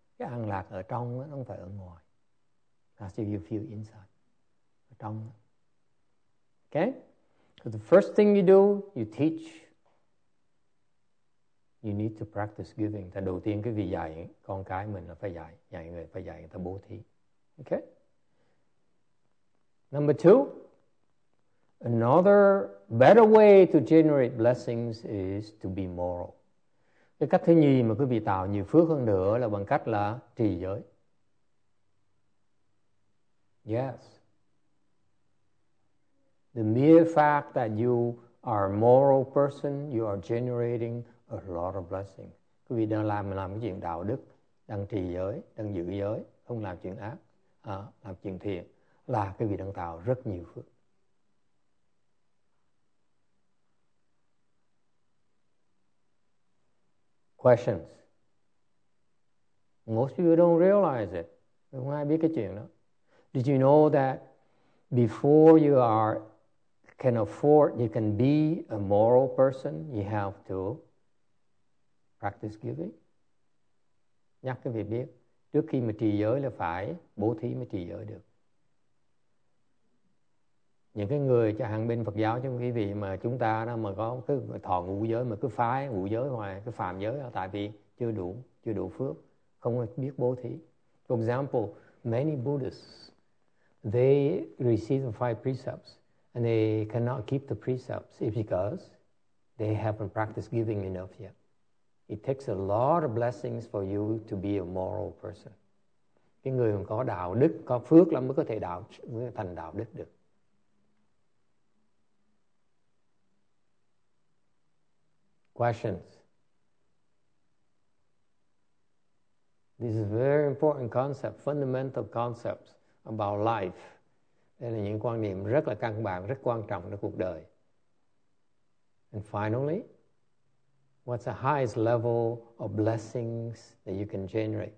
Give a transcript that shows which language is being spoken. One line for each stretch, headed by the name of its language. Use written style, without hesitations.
Vietnamese: Cái an lạc ở trong nó không phải ở ngoài.
English: That's if you feel inside.
Vietnamese: Ở trong.
English: Okay? So the first thing you do, you teach. You need to practice giving.
Vietnamese: Thì đầu tiên cái vị dạy con cái mình là phải dạy, dạy người phải dạy người ta bố thí.
English: Okay. Number two, another better way to generate blessings is to be moral.
Vietnamese: Cái cách thứ nhì mà quý vị tạo nhiều phước hơn nữa là bằng cách là trì giới.
English: Yes. The mere fact that you are a moral person, you are generating a lot of blessing.
Vietnamese: Quý vị đang làm cái chuyện đạo đức, đang trì giới, đang giữ giới, không làm chuyện ác, làm chuyện thiện, là quý vị đang tạo rất nhiều phước.
English: Questions? Most of you don't realize it.
Vietnamese: Không ai biết cái chuyện đó.
English: Did you know that before you are can afford, you can be a moral person, you have to practice giving.
Vietnamese: Nhắc cái việc biết, trước khi mà trì giới là phải bố thí mới trì giới được. Những cái người cho hàng bên Phật giáo, trong quý vị mà chúng ta đó mà có cái thọ ngũ giới mà cứ phái ngũ giới hoài, cứ phạm giới, tại vì chưa đủ phước, không biết bố thí.
English: For example, many Buddhists, they receive the five precepts and they cannot keep the precepts because they haven't practiced giving enough yet. It takes a lot of blessings for you to be a moral person.
Vietnamese: Cái người có đạo đức, có phước lắm mới có thể đạo, mới thành đạo đức được.
English: Questions? This is a very important concept, fundamental concepts about life.
Vietnamese: Đây là những quan niệm rất là căn bản, rất quan trọng trong cuộc đời.
English: And finally, what's the highest level of blessings that you can generate?